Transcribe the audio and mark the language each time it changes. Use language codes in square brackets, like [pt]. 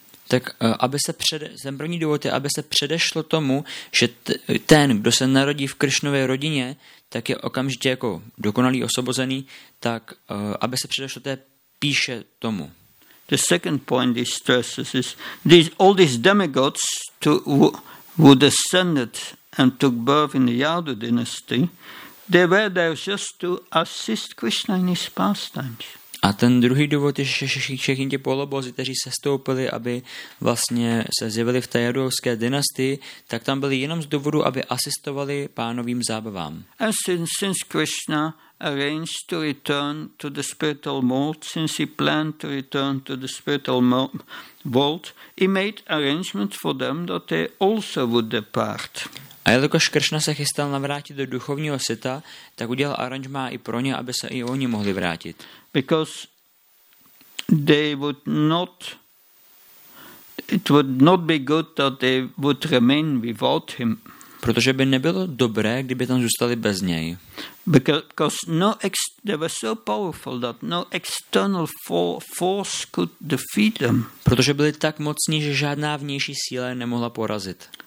[cs] Tak aby se ten první důvod je, aby se předešlo tomu, že ten, kdo se narodí v Krishnově rodině, tak je okamžitě jako dokonalý osobozený, tak aby se předešlo té píše tomu. [en] The second point he stresses is all these demigods who descended and took birth in the Yadu dynasty, they were there just to assist Krishna in his pastimes. [cs] A ten druhý důvod je, že všichni ti polobozy, kteří sestoupili, aby vlastně se zjevili v té jadovské dynastii, tak tam byli jenom z důvodu, aby asistovali pánovým zábavám. [en] And since Krishna arranged to return to the spiritual world, since he planned to return to the spiritual world, he made arrangements for them that they also would depart. [cs] A jelikož Krishna se chystal navrátit do duchovního světa, tak udělal aranžmá i pro ně, aby se i oni mohli vrátit. [en] Because they would not, it would not be good that they would remain without him. [cs] Protože by nebylo dobré, kdyby tam zůstali bez něj. [en] Because they were so powerful that no external force could defeat them. [cs] Protože byli tak mocní, že žádná vnější síla nemohla porazit.